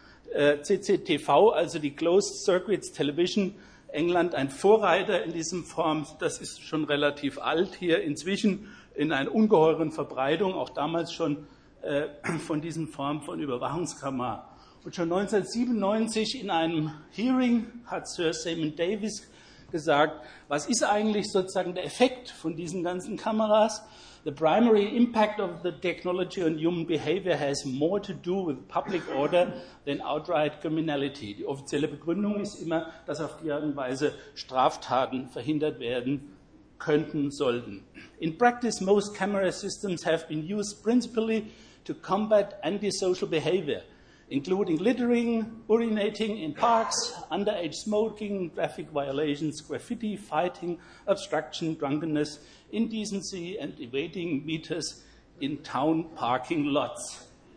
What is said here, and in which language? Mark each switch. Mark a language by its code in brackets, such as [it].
[de] CCTV, also die Closed Circuits Television, England ein Vorreiter in diesem Form, das ist schon relativ alt hier, inzwischen in einer ungeheuren Verbreitung, auch damals schon von diesen Formen von Überwachungskamera. Und schon 1997 in einem Hearing hat Sir Simon Davis gesagt, was ist eigentlich sozusagen der Effekt von diesen ganzen Kameras? [en] The primary impact of the technology on human behavior has more to do with public order than outright criminality. [de] Die offizielle Begründung ist immer, dass auf die Art und Weise Straftaten verhindert werden könnten, sollten. [en] In practice, most camera systems have been used principally to combat antisocial behavior, including littering, urinating in parks, underage smoking, traffic violations, graffiti, fighting, obstruction, drunkenness, indecency and evading meters in town parking lots.